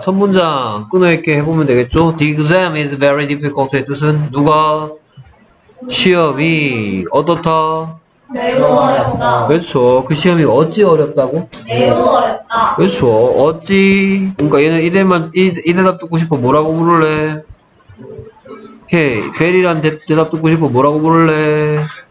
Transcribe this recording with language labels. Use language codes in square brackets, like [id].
[ko] 첫 문장 끊어 읽게 해보면 되겠죠? [en] The exam is very difficult [ko] 의 뜻은 누가? 시험이 어떻다? 매우 어렵다. 그렇죠. 그 시험이 어찌 어렵다고? 매우 어렵다. 그렇죠. 어찌? 그러니까 얘는 이 대답 듣고 싶어 뭐라고 부를래? 헤이, 베리란 대답 듣고 싶어 뭐라고 부를래?